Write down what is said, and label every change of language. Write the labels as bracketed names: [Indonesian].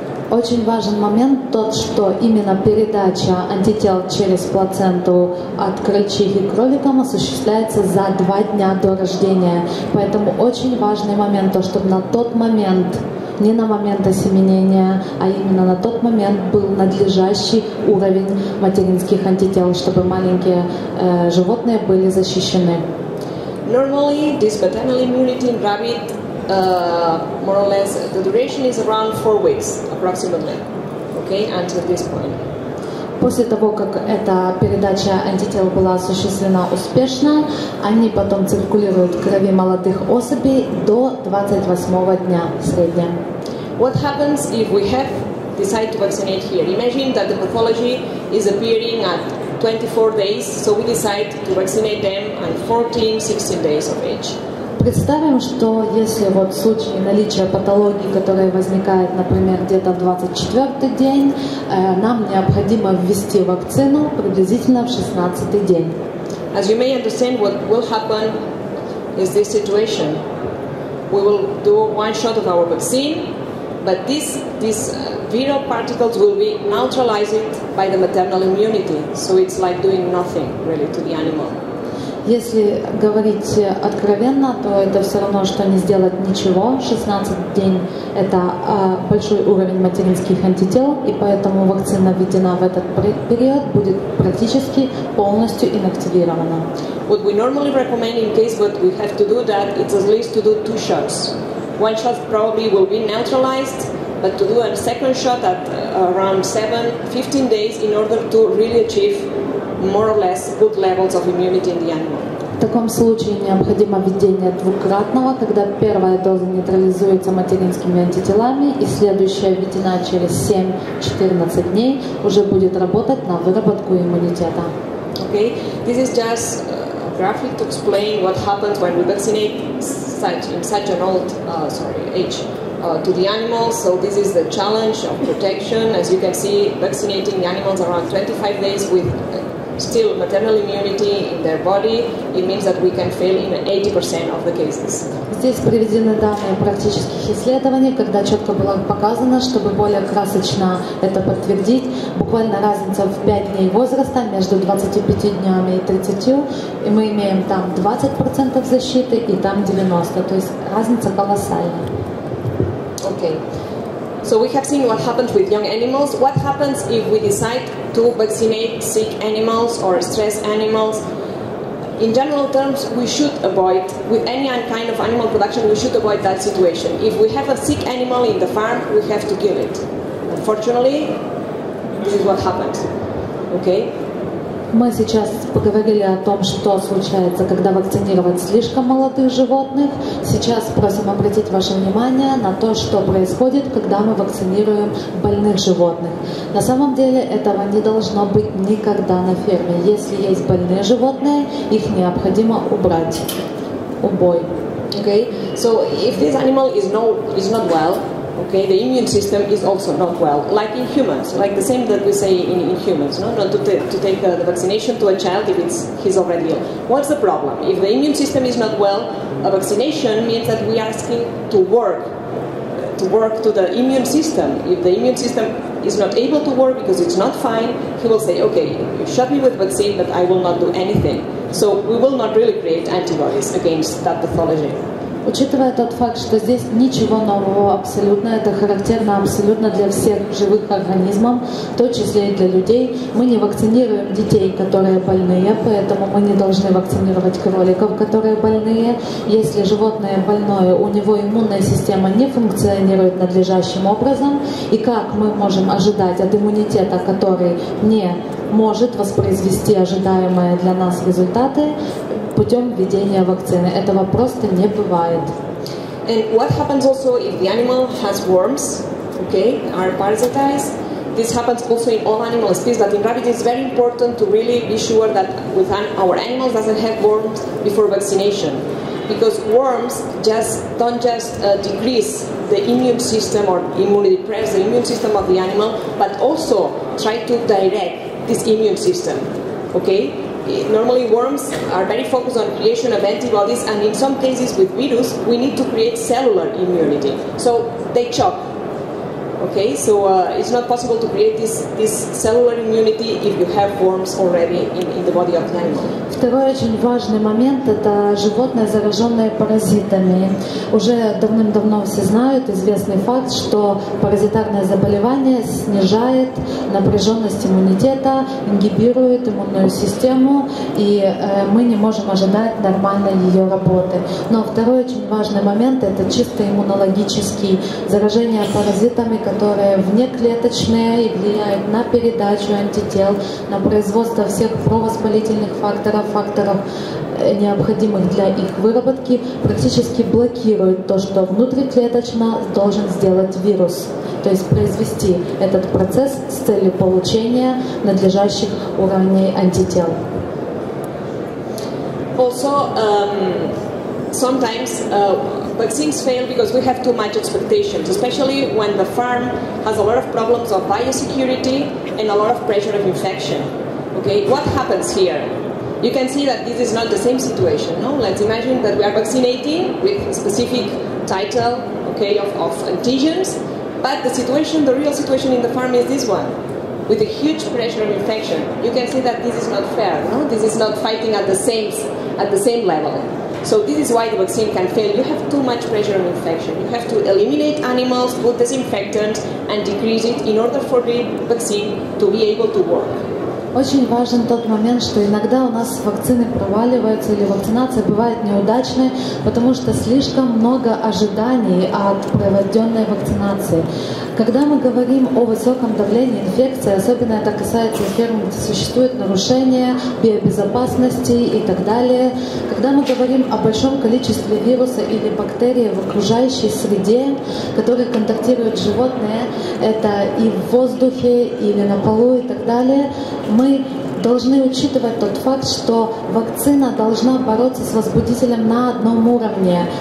[Russian] Очень важен момент тот, что именно передача антител через плаценту от крольчихи кроликам осуществляется за 2 дня до рождения. Поэтому очень важный момент то, чтобы на тот момент, не на момент осеменения, а именно на тот момент был надлежащий уровень материнских антител, чтобы маленькие животные были защищены. [English] Normally, this maternal immunity in rabbit more or less, the duration is around 4 weeks, approximately, okay, until this point. [Russian] После того, как эта передача антител была осуществлена успешно, они потом циркулируют в крови молодых особей до 28 дня в среднем. [English] What happens if we have decided to vaccinate here? Imagine that the pathology is appearing at 24 days, so we decide to vaccinate them at 14-16 days of age. [Russian] Представим, что если вот в случае наличия патологии, которая возникает, например, где-то в 24-й день, нам необходимо ввести вакцину приблизительно в 16-й день. [English] As you may understand, what will happen is this situation. We will do one shot of our vaccine, but these viral particles will be neutralized by the maternal immunity. So it's like doing nothing really to the animal. [Russian] Если говорить откровенно, то это все равно, что не сделать ничего. 16 день – это большой уровень материнских антител, и поэтому вакцина введена в этот период будет практически полностью инактивирована. [English] What we normally recommend in case what we have to do that, it's at least to do two shots. One shot probably will be neutralized, but to do a second shot at around 7-15 days in order to really achieve more or less good levels of immunity in the animal. [Russian] В таком случае необходимо введение двукратного, когда первая доза нейтрализуется материнскими антителами, и следующая введена через 7-14 дней уже будет работать на выработку иммунитета. [English] Okay, this is just a graphic to explain what happens when we vaccinate in such an old age to the animals. So this is the challenge of protection. As you can see, vaccinating the animals around 25 days with still maternal immunity in their body, it means that we can fail in 80% of the cases. [Russian] Здесь приведены данные практических исследований, когда четко было показано, чтобы более красочно это подтвердить, буквально разница в 5 дней возраста между 25 днями и 30, и мы имеем там 20% защиты и там 90%, то есть разница колоссальная. [English] Okay. So we have seen what happens with young animals. What happens if we decide to vaccinate sick animals or stressed animals? In general terms, we should avoid, with any kind of animal production, we should avoid that situation. If we have a sick animal in the farm, we have to kill it. Unfortunately, this is what happened. Okay? [Russian] Мы сейчас поговорили о том, что случается, когда вакцинировать слишком молодых животных. Сейчас просим обратить ваше внимание на то, что происходит, когда мы вакцинируем больных животных. На самом деле этого не должно быть никогда на ферме. Если есть больные животные, их необходимо убрать. Убой. [English] Okay. So if this animal is not well, okay, the immune system is also not well, like in humans, like the same that we say in humans, no? Not to take the vaccination to a child if he's already ill. What's the problem? If the immune system is not well, a vaccination means that we are asking to work to the immune system. If the immune system is not able to work because it's not fine, he will say, okay, you shot me with vaccine, but I will not do anything. So we will not really create antibodies against that pathology. [Russian] Учитывая тот факт, что здесь ничего нового абсолютно, это характерно абсолютно для всех живых организмов, в том числе и для людей, мы не вакцинируем детей, которые больные, поэтому мы не должны вакцинировать кроликов, которые больные. Если животное больное, у него иммунная система не функционирует надлежащим образом, и как мы можем ожидать от иммунитета, который не может воспроизвести ожидаемые для нас результаты, путем введения вакцины. Этого просто не бывает. [English] And what happens also if the animal has worms, okay, are parasitized? This happens also in all animal species, but in rabbit it's very important to really be sure that with our animals doesn't have worms before vaccination. Because worms don't just decrease the immune system or immunodepress the immune system of the animal, but also try to direct this immune system, okay? Normally worms are very focused on creation of antibodies, and in some cases with virus we need to create cellular immunity. So they chop. Okay, so it's not possible to create this cellular immunity if you have worms already in the body of the animal. [Russian] Второй очень важный момент – это животные, зараженные паразитами. Уже давным-давно все знают известный факт, что паразитарное заболевание снижает напряженность иммунитета, ингибирует иммунную систему, и мы не можем ожидать нормальной ее работы. Но второй очень важный момент – это чисто иммунологический заражение паразитами, которые внеклеточные и влияют на передачу антител, на производство всех провоспалительных факторов, факторов, необходимых для их выработки, практически блокируют то, что внутриклеточно должен сделать вирус, то есть произвести этот процесс с целью получения надлежащих уровней антител. [English] Also, sometimes vaccines fail because we have too much expectations, especially when the farm has a lot of problems of biosecurity and a lot of pressure of infection. Okay, what happens here? You can see that this is not the same situation. No, let's imagine that we are vaccinating with a specific title, okay, of antigens, but the situation, the real situation in the farm is this one. With a huge pressure of infection, you can see that this is not fair. No, this is not fighting at the same level. So this is why the vaccine can fail. You have too much pressure on infection. You have to eliminate animals, put disinfectants, and decrease it in order for the vaccine to be able to work. [Russian] Очень важен тот момент, что иногда у нас вакцины проваливаются или вакцинация бывает неудачной, потому что слишком много ожиданий от проведенной вакцинации. Когда мы говорим о высоком давлении инфекции, особенно это касается ферм, где существуют нарушения биобезопасности и так далее, когда мы говорим о большом количестве вируса или бактерий в окружающей среде, которые контактируют с животными, это и в воздухе, или на полу и так далее, мы должны учитывать тот факт, что вакцина должна бороться с возбудителем на одном уровне.